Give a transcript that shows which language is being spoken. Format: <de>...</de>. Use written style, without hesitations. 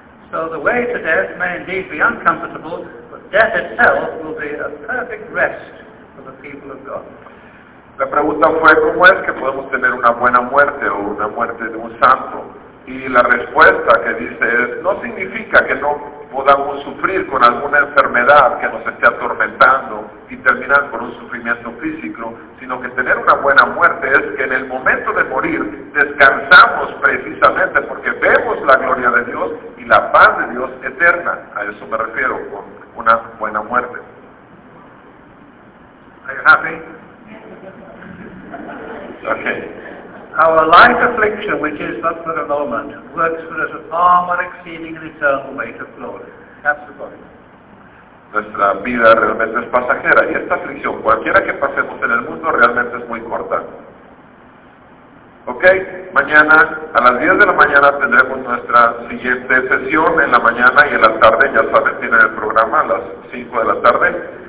<en>So the way to death may indeed be uncomfortable, but death itself will be a perfect rest for the people of God.</en> <es>La pregunta fue, ¿cómo es que podemos tener una buena muerte o una muerte de un santo? Y la respuesta que dice es, no significa que no podamos sufrir con alguna enfermedad que nos esté atormentando y terminar con un sufrimiento físico, sino que tener una buena muerte es que en el momento de morir descansamos precisamente porque vemos la gloria de Dios y la paz de Dios eterna. A eso me refiero con una buena muerte.</es> <en>Are you happy? Thank you. our light affliction, which is but for a moment, works for us a far more exceeding and eternal weight of glory. That's the point.</en> <es>Nuestra vida realmente es pasajera, y esta aflicción, cualquiera que pasemos en el mundo, realmente es muy corta. Ok, mañana a las 10 de la mañana tendremos nuestra siguiente sesión, en la mañana y en la tarde, ya saben, tienen el programa a las 5 de la tarde.</es>